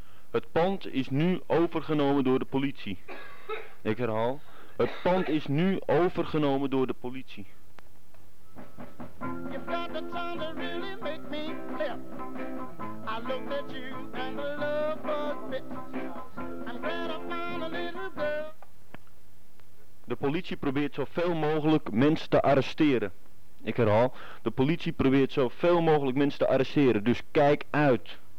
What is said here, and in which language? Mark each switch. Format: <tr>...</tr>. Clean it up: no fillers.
<nl>Het pand is nu overgenomen door de politie. Ik herhaal. Het pand is nu overgenomen door de politie.</nl> <en>You've got the time to really make me flip. I look at you and the love was bit. I'm glad I found a little girl.</en> <nl>De politie probeert zoveel mogelijk mensen te arresteren. Ik herhaal. De politie probeert zoveel mogelijk mensen te arresteren. Dus kijk uit.</nl>